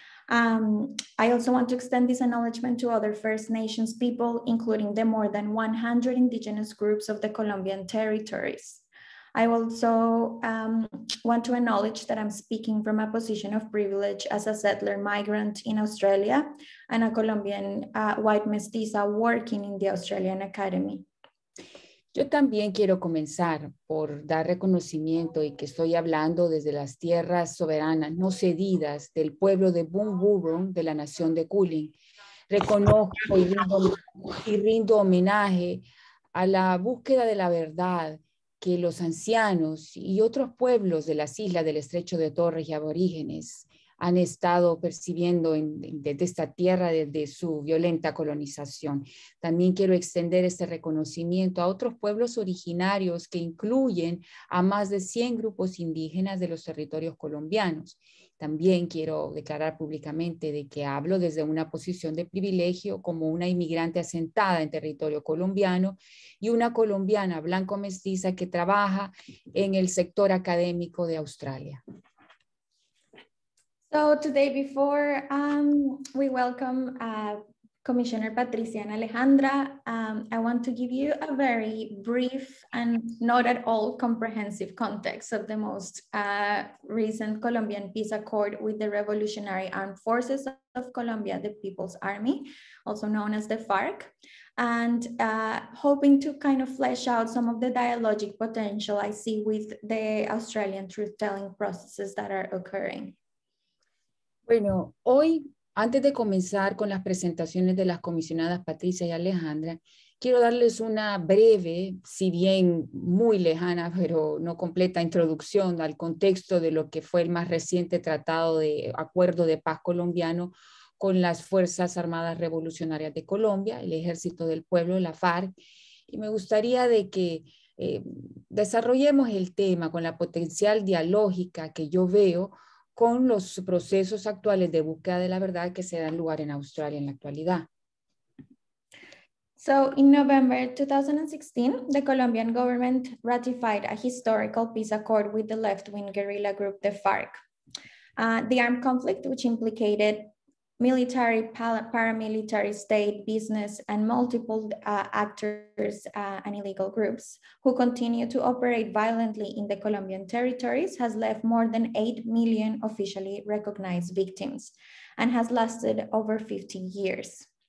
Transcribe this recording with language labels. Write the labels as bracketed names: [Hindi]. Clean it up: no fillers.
[English] I also want to extend this acknowledgement to other First Nations people, including the more than 100 Indigenous groups of the Colombian territories. I also want to acknowledge that I'm speaking from a position of privilege as a settler migrant in Australia and a Colombian white mestiza working in the Australian Academy. [Spanish] Yo también quiero comenzar por dar reconocimiento y que estoy hablando desde las tierras soberanas no cedidas del pueblo de Bunurong de la nación de Kulin. Reconozco y rindo homenaje a la búsqueda de la verdad que los ancianos y otros pueblos de las islas del Estrecho de Torres y aborígenes han estado percibiendo desde esta tierra, desde su violenta colonización. También quiero extender este reconocimiento a otros pueblos originarios que incluyen a más de 100 grupos indígenas de los territorios colombianos. También quiero declarar públicamente de que hablo desde una posición de privilegio como una inmigrante asentada en territorio colombiano y una colombiana blanco-mestiza que trabaja en el sector académico de Australia. [English] So today, before we welcome Commissioner Patricia and Alejandra, I want to give you a very brief and not at all comprehensive context of the most recent Colombian peace accord with the Revolutionary Armed Forces of Colombia, the People's Army, also known as the FARC, and hoping to kind of flesh out some of the dialogic potential I see with the Australian truth-telling processes that are occurring. [Spanish] Bueno, hoy, antes de comenzar con las presentaciones de las comisionadas Patricia y Alejandra, quiero darles una breve, si bien muy lejana, pero no completa, introducción al contexto de lo que fue el más reciente tratado de acuerdo de paz colombiano con las Fuerzas Armadas Revolucionarias de Colombia, el Ejército del Pueblo, la FARC, y me gustaría de que desarrollemos el tema con la potencial dialógica que yo veo con los procesos actuales de búsqueda de la verdad que se dan lugar en Australia en la actualidad. [English] So, in November 2016, the Colombian government ratified a historical peace accord with the left-wing guerrilla group, the FARC. The armed conflict, which implicated military, paramilitary state, business, and multiple actors and illegal groups who continue to operate violently in the Colombian territories has left more than 8 million officially recognized victims and has lasted over 50 years.